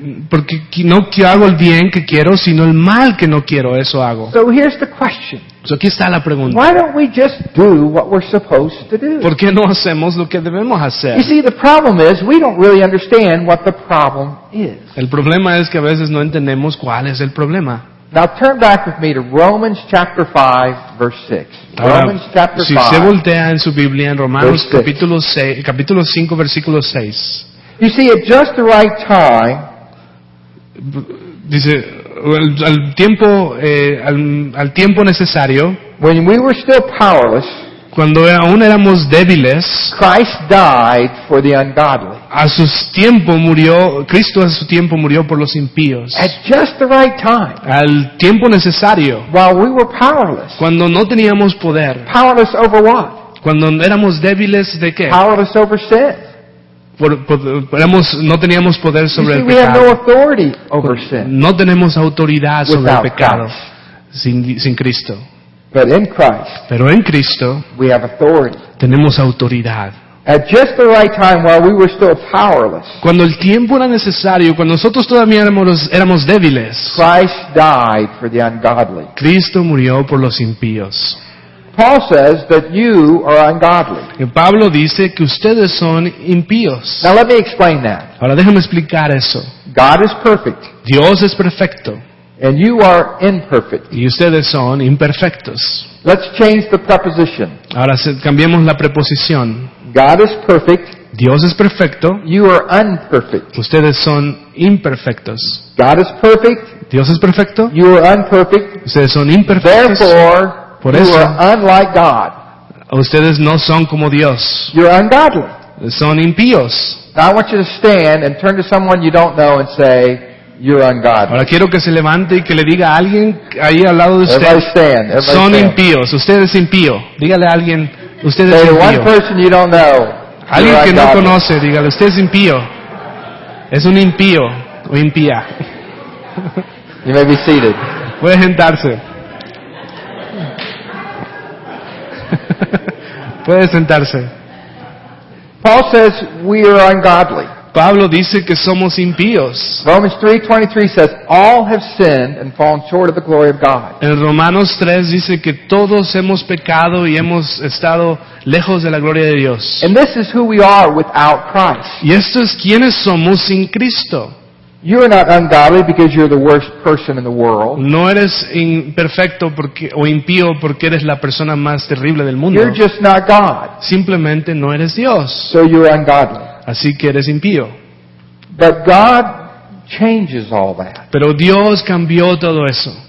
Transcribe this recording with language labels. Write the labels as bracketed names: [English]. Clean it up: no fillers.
[Spanish] Porque no hago el bien que quiero, sino el mal que no quiero, eso hago. [English] So here's the question. So [Spanish] aquí está la pregunta. [English] Why don't we just do what we're supposed to do? [Spanish] ¿Por qué no hacemos lo que debemos hacer? [English] You see, the problem is we don't really understand what the problem is. [Spanish] El problema es que a veces no entendemos cuál es el problema. [English] Now turn back with me to Romans chapter 5 verse 6. Romans chapter 5. [Spanish] Si se voltea en su Biblia en Romanos capítulo 5 versículo 6. [English] You see, at just the right time, [Spanish] dice, al tiempo necesario, [English] when we were still powerless, [Spanish] cuando aún éramos débiles, [English] Christ died for the ungodly. [Spanish] a su tiempo murió, Cristo a su tiempo murió por los impíos. [English] At just the right time. [Spanish] Al tiempo necesario. [English] While we were powerless. [Spanish] Cuando no teníamos poder. [English] Powerless over what? [Spanish] Cuando éramos débiles, ¿de qué? [English] Powerless over sin. [Spanish] No teníamos poder sobre [English] see, [Spanish] el pecado. [English] We have no authority over sin. [Spanish] No tenemos autoridad [English] without [Spanish] sobre el pecado. [English] Christ. [Spanish] Sin Cristo. [English] But in Christ, [Spanish] pero en Cristo [English] we have authority. [Spanish] Tenemos autoridad. [English] At just the right time, while we were still powerless, [Spanish] cuando el tiempo era necesario, cuando nosotros todavía éramos débiles, [English] Christ died for the ungodly. [Spanish] Cristo murió por los impíos. [English] Paul says that you are ungodly. [Spanish] Y Pablo dice que ustedes son impíos. [English] Now let me explain that. [Spanish] Ahora déjame explicar eso. [English] God is perfect. [Spanish] Dios es perfecto. [English] And you are imperfect. [Spanish] Y ustedes son imperfectos. [English] Let's change the preposition. [Spanish] Ahora cambiemos la preposición. [English] God is perfect. [Spanish] Dios es perfecto. [English] You are unperfect. [Spanish] Ustedes son imperfectos. [English] God is perfect. [Spanish] Dios es perfecto. [English] You are unperfect. [Spanish] Ustedes son imperfectos. [English] Therefore, [Spanish] por eso, [English] you are unlike God. [Spanish] Ustedes no son como Dios. [English] You're ungodly. [Spanish] Son impíos. [English] Now I want you to stand and turn to someone you don't know and say, you're ungodly. [Spanish] Ahora quiero que se levante y que le diga a alguien ahí al lado de usted. [English] Everybody stand. Everybody [Spanish] son [English] stand. [Spanish] Impíos. Usted es impío. Dígale a alguien. Usted es [English] say [Spanish] impío. [English] One person you don't know, [Spanish] alguien que [English] ungodly. [Spanish] No conoce. Dígale. Usted es impío. Es un impío o impía. [English] You may be seated. [Spanish] Puede sentarse. Puede sentarse. [English] Paul says we are ungodly. [Spanish] Pablo dice que somos impíos. [English] Romans 3:23 says all have sinned and fallen short of the glory of God. [Spanish] En Romanos 3 dice que todos hemos pecado y hemos estado lejos de la gloria de Dios. [English] And this is who we are without Christ. [Spanish] Y esto es quienes somos sin Cristo. [English] You are not ungodly because you're the worst person in the world. [Spanish] No eres imperfecto porque o impío porque eres la persona más terrible del mundo. [English] You're just not God. [Spanish] Simplemente no eres Dios. [English] So you're ungodly. [Spanish] Así que eres impío. [English] But God changes all that. [Spanish] Pero Dios cambió todo eso.